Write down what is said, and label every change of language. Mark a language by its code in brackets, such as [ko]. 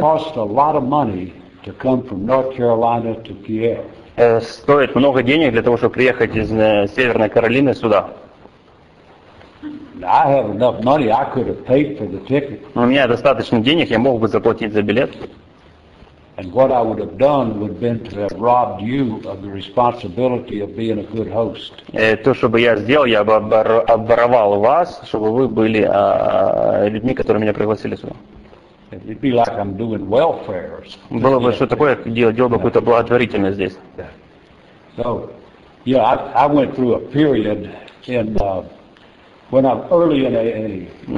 [en] It cost a lot of money to come from North Carolina to Kiev. [ru] Стоит много денег для того, чтобы приехать из Северной Каролины сюда. [en] I have enough money. I could have paid for the ticket. [ru] У меня достаточно денег, я мог бы заплатить за билет. [en] And what I would have done would have been to have robbed you of the responsibility of being a good host. [ru] То, что бы я сделал, я бы обворовал вас, чтобы вы были людьми, которые меня пригласили сюда. [en] It'd be like I'm doing welfare. [ru] Было бы что такое, делал бы какую-то благотворительность здесь. [en] So, yeah, I went through a period in when I'm early in AA.